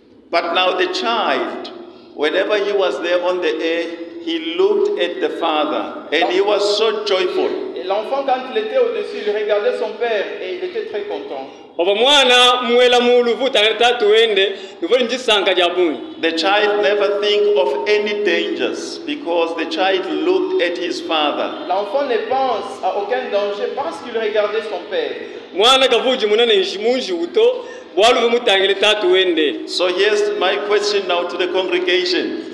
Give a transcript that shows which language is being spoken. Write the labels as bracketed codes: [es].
[en] But now the child, whenever he was there on the air, he looked at the father and he was so joyful. [fr] Et l'enfant quand il était au-dessus, il regardait son père et il était très content. [en] The child never think of any dangers because the child looked at his father. [fr] L'enfant ne pense à aucun danger parce qu'il regardait son père. [en] So here's my question now to the congregation.